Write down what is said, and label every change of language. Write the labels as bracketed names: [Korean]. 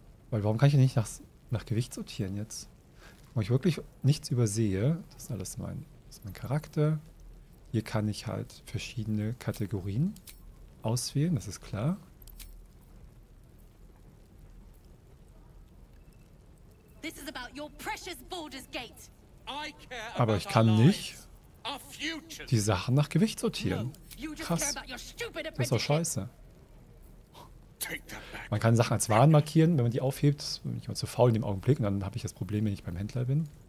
[German] Weil warum kann ich nicht nach Gewicht sortieren jetzt? Wo ich wirklich nichts übersehe. Das ist alles mein Charakter. Hier kann ich halt verschiedene Kategorien auswählen, das ist klar. [English] This is about your precious Baldur's Gate. I care about [German] Aber ich kann nicht die Sachen nach Gewicht sortieren. No, krass, das ist doch scheiße. Man kann Sachen als Waren markieren, wenn man die aufhebt. Bin ich mal zu faul in dem Augenblick und dann habe ich das Problem, wenn ich beim Händler bin.